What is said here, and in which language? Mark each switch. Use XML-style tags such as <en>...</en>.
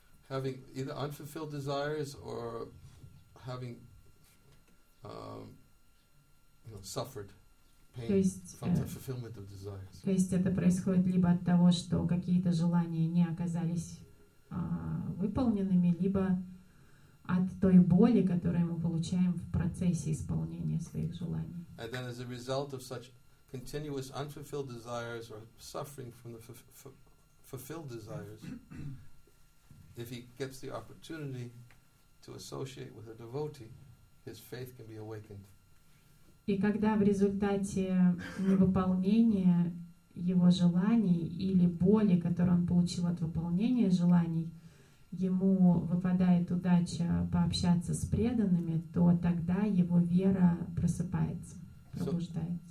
<en>Having either unfulfilled desires or having suffered pain from the fulfillment of desires.</en> <ru>То есть это происходит либо от того, что какие-то желания не оказались выполненными, либо от той боли, которую мы получаем в процессе исполнения своих желаний.</ru> <en>And then as a result of such continuous unfulfilled desires or suffering from the fulfilled desires, if he gets the opportunity to associate with a devotee, his faith can be awakened.</en> <ru>И когда в результате невыполнения его желаний или боли, которую он получил от выполнения желаний, ему выпадает удача пообщаться с преданными, то тогда его вера просыпается, пробуждается.</ru>